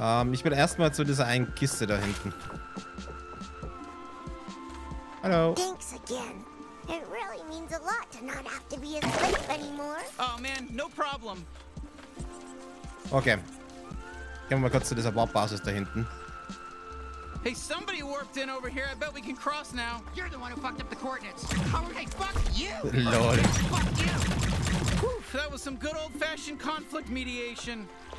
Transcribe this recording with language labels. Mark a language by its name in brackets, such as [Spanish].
[German] Ich will erstmal zu dieser einen Kiste da hinten. Hallo. [English] Thanks again. It really means a lot to not have to be a slave anymore. Oh man, no problem. Okay. [German] Gehen wir mal kurz zu dieser Warp-Basis da hinten. [English] Hey, somebody warped in over here. I bet we can cross now. You're the one who fucked up the coordinates. How are they? Fuck you! Lord. Fuck you! Whew, that was some good old-fashioned conflict mediation.